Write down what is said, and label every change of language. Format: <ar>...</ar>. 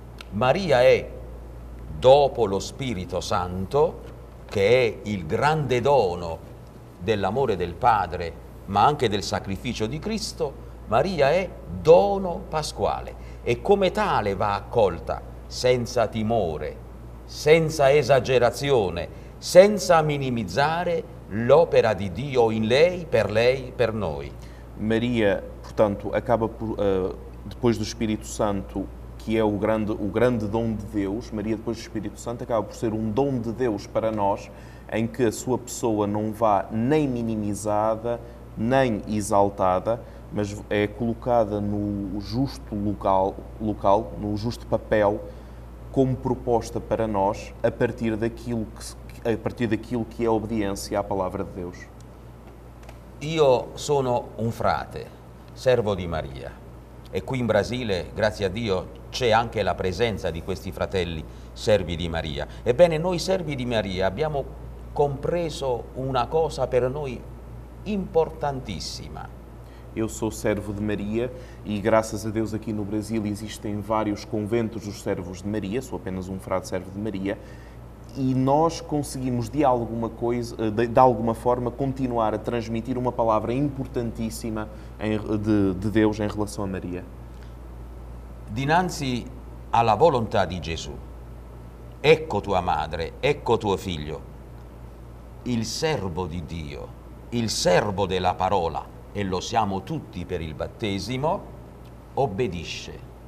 <it>Maria è dopo lo Spirito Santo, che è il grande dono dell'amore del Padre, ma anche del sacrificio di Cristo, Maria è dono pasquale e come tale va accolta senza timore, senza esagerazione, senza minimizzare l'opera di Dio in lei, per lei, per noi.</it> <pt>Maria, portanto, acaba depois do Espírito Santo, que é o grande dom de Deus. Maria, depois do Espírito Santo, acaba por ser um dom de Deus para nós, em que a sua pessoa não vá nem minimizada, nem exaltada, mas é colocada no justo local, no justo papel, como proposta para nós, a partir daquilo que é a obediência à palavra de Deus.</pt> <it>Eu sono um frate, servo di Maria, e qui in Brasile, grazie a Dio, c'è anche la presenza di questi fratelli servi di Maria. Ebbene, noi servi di Maria abbiamo compreso una cosa per noi importantissima.</it> <pt>Eu sou servo de Maria e graças a Deus aqui no Brasil existem vários conventos dos servos de Maria, sou apenas um frade servo de Maria, e nós conseguimos de alguma forma continuar a transmitir uma palavra importantíssima de Deus em relação a Maria.</pt> <it>Dinanzi alla volontà di Gesù, ecco tua madre, ecco tuo figlio, il servo di Dio, il servo della parola, e lo siamo tutti per il battesimo, obbedisce.</it>